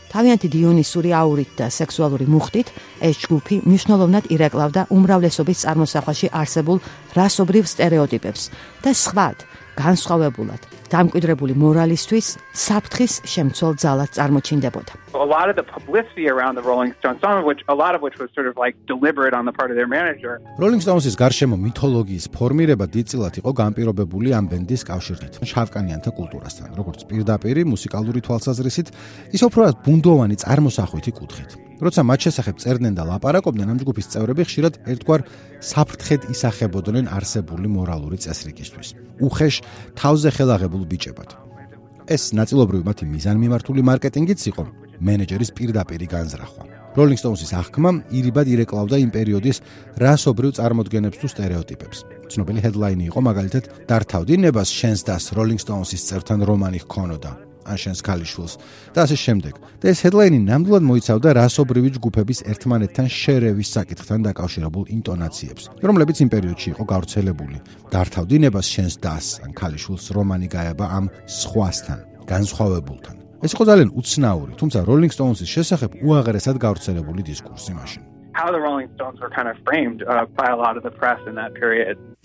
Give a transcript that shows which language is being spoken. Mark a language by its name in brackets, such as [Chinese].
[Georgian] თავიანთი დიონისური აურით და სექსუალური მუხტით ეს ჯგუფი მნიშვნელოვნად ირეკლავდა უმრავლესობის წარმოსახვაში არსებულ რასობრივ სტერეოტიპებს და სხვათ, განსხვავებულად, დამკვიდრებული მორალისთვის საფრთხის შემცველ ძალას წარმოჩინდებოდა. [English] A lot of the publicity around the Rolling Stones, some of which a lot of which was sort of like deliberate on the part of their manager. [Georgian] Rolling Stones-ის გარშემო მითოლოგიის ფორმირება დიდწილად იყო განპირობებული ამ ბენდის კავშირით შავკანიანთა კულტურასთან, როგორც პირდაპირი მუსიკალური თვალსაზრისით, ისე უბრალოდ ბუნდოვანი წარმოსახვითი კუთხით. როცა მათ შესახებ წერდნენ და ლაპარაკობდნენ, ამ ჯგუფის წევრები ხშირად ერთგვარ საფრთხედ ისახებოდნენ არსებული მორალური წესრიგისთვის, უხეშ თავზე ხელაღებულ ბიჭებად. ეს ნაწილობრივ მათი მიზანმიმართული მარკეტინგიც იყო, მენეჯერის პირდაპირი განზრახვა. როლინგ სტოუნსის აღქმა ირიბად ირეკლავდა იმ პერიოდის რასობრივ წარმოდგენებს თუ სტერეოტიპებს. ცნობილი ჰედლაინი იყო მაგალითად: დართავდი ნებას შენს დას, როლინგ სტოუნსის წევრთან რომანი ჰქონოდა, ან შენს ქალიშვილს, და ასე შემდეგ. და ეს ჰედლაინი ნამდვილად მოიცავდა რასობრივი ჯგუფების ერთმანეთთან შერევის საკითხთან დაკავშირებულ ინტონაციებს, რომლებიც იმ პერიოდში იყო გავრცელებული: დართავდი ნებას შენს დას, ან ქალიშვილს რომანი გაება ამ სხვასთან, განსხვავებულთან. ეს იყო ძალიან უცნაური, თუმცა როლინგ სტოუნსის შესახებ უაღრესად გავრცელებული დისკურსი მაშინ. [English] How the Rolling Stones were kind of framed by a lot of the press in that period.